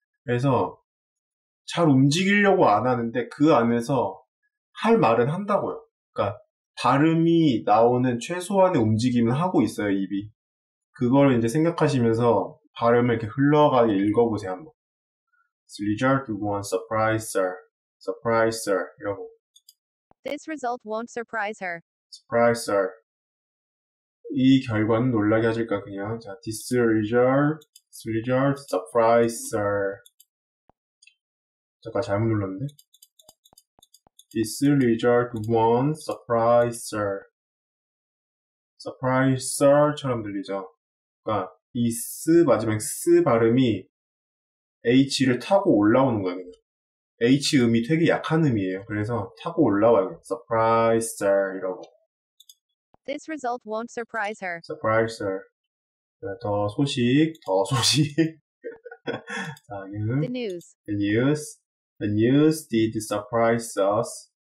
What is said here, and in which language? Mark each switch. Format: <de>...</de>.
<ko>그래서 잘 움직이려고 안 하는데 그 안에서 할 말은 한다고요. 그러니까 발음이 나오는 최소한의 움직임은 하고 있어요, 입이. 그걸 이제 생각하시면서 발음을 이렇게 흘러가게 읽어보세요, 한번.</ko> <en>Result won't surprise her. Surprise her. 이러고. This result won't surprise her. Surprise her.</en> <ko>이 결과는 놀라게 하실까, 그냥. 자,</ko> <en>this result surprise her.</en> <ko>잠깐 잘못 눌렀는데.</ko> <en>This result won't surprise her.</en> <ko>Surprise her처럼 들리죠. 그러니까 이 스, 마지막 스 발음이 H를 타고 올라오는 거예요. H 음이 되게 약한 음이에요. 그래서 타고 올라와요.</ko> <en>Surprise, sir.</en> <ko>이러고.</ko> <en>This result won't surprise her. Surprise, sir.</en> <ko>더 소식.</ko> <en>The news. The news did surprise us.</en>